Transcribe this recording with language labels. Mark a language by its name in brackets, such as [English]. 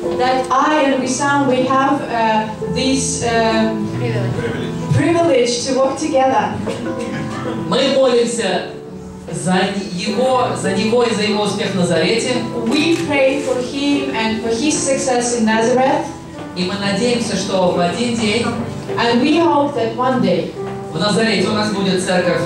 [English] That I and Lisam we have this privilege to work together. [Russian] Мы молимся за его, за него и за его успех в Назарете. [English] We pray for him and for his success in Nazareth. [Russian] И мы надеемся, что в один день. [English] And we hope that one day. [Russian] В Назарете у нас будет церковь.